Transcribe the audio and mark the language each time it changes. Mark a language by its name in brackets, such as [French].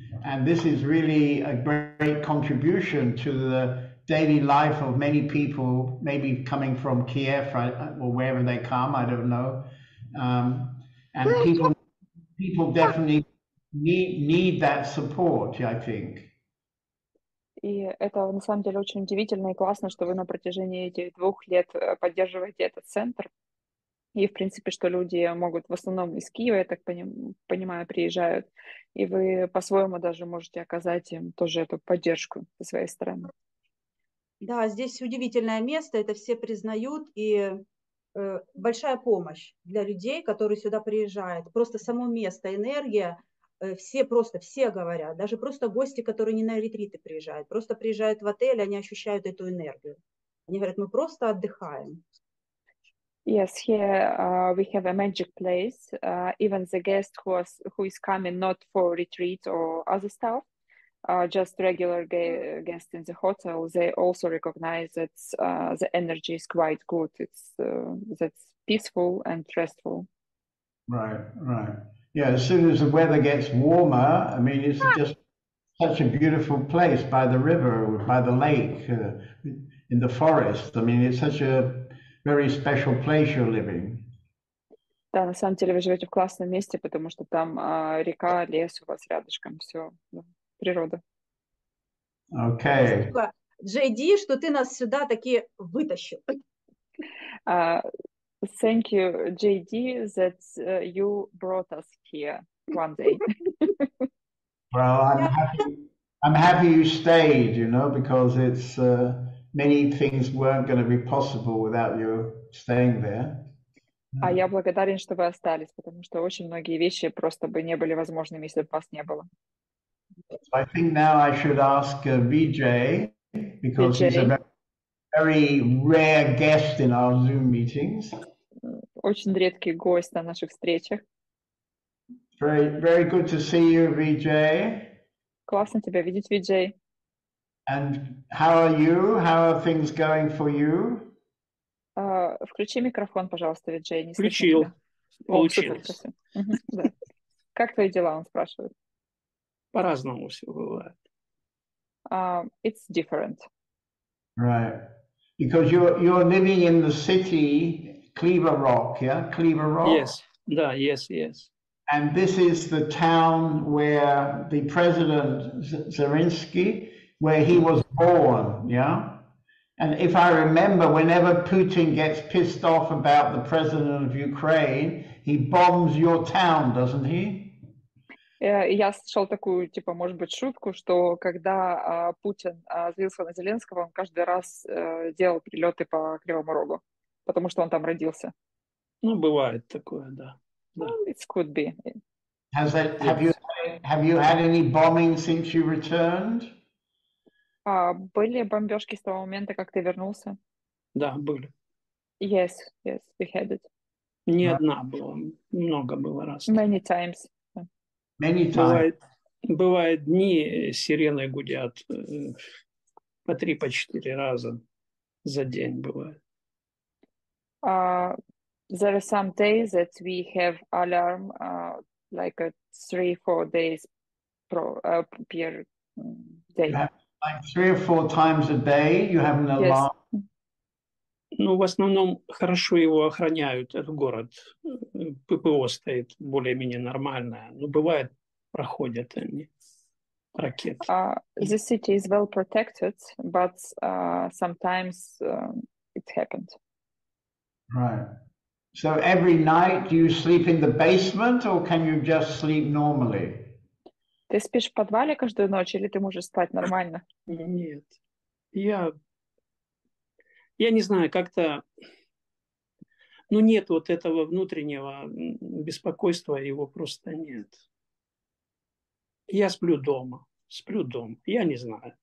[English] And this is really a great contribution to the daily life of many people, maybe coming from Kiev or wherever they come, I don't know. And people definitely need that support, I think. [Russian] И это на самом деле очень удивительно и классно, что вы на протяжении этих 2 лет поддерживаете этот центр. И в принципе, что люди могут в основном из Киева, я так понимаю, приезжают, и вы по-своему даже можете оказать им тоже эту поддержку со своей стороны. Да, здесь удивительное место, это все признают, и большая помощь для людей, которые сюда приезжают. Просто само место, энергия, все говорят, даже просто гости, которые не на ретриты приезжают, просто приезжают в отель, они ощущают эту энергию. Они говорят, мы просто отдыхаем. [English] Yes, here we have a magic place. Even the guest who is coming not for retreat or other stuff, just regular guests in the hotel, they also recognize that the energy is quite good. It's that's peaceful and restful. Right. Yeah, as soon as the weather gets warmer, I mean, it's just such a beautiful place by the river, by the lake, in the forest. I mean, it's such a very special place you're living. [Russian] Да, на самом деле вы живете в классном месте, потому что там река, лес у вас рядышком, все, да, природа. [English] Okay. [Russian] JD, что ты нас сюда такие вытащил. [English] Thank you, JD, that you brought us here one day. Well, I'm happy you stayed, you know, because it's many things weren't going to be possible without you staying there. [Russian] А я благодарен, что вы остались, потому что очень многие вещи просто бы не были возможными, если бы вас не было. [English] I think now I should ask Vijay, because he's a very, very rare guest in our Zoom meetings. [Russian] Очень редкий гость на наших встречах. [English] Very, very good to see you, Vijay. [Russian] Классно тебя видеть, Vijay. [English] And how are you? How are things going for you? [Russian] Включи микрофон, пожалуйста, Виджей. Включил. Получилось. Как твои дела, он спрашивает. По-разному все бывает. [English] It's different. Right. Because you're living in the city, Cleaver Rock, yeah? Cleaver Rock? Yes. [Russian] Да, [English] yes, yes. And this is the town where the president, Zelensky, where he was born, yeah? And if I remember, whenever Putin gets pissed off about the president of Ukraine, he bombs your town, doesn't he? [Russian] Я слышал такую, типа, может быть, шутку, что когда Путин злился на Зеленского, он каждый раз делал прилеты по Кривому Рогу, потому что он там родился. Ну, бывает такое, да. [English] It could be. Have you had any bombing since you returned? [Russian] Были бомбежки с того момента, как ты вернулся? Да, были. [English] Yes, yes, we had it. [Russian] Не одна была, много было раз. [English] Many times. Many times. [Russian] Бывает дни, сирены гудят по 3-4 раза за день бывает. [English] There are some days that we have alarm like a 3-4 days per day. Like 3 or 4 times a day you have an alarm. Yes. [Russian] Ну, в основном хорошо его охраняют, этот город. ППО стоит более-менее нормальное. Но бывает, проходят они ракеты. [English] The city is well protected, but sometimes it happened. Right. So every night you sleep in the basement or can you just sleep normally? [Russian] Ты спишь в подвале каждую ночь или ты можешь спать нормально? Нет. Я не знаю, как-то... Ну, нет вот этого внутреннего беспокойства, его просто нет. Я сплю дома. Сплю дома. Я не знаю.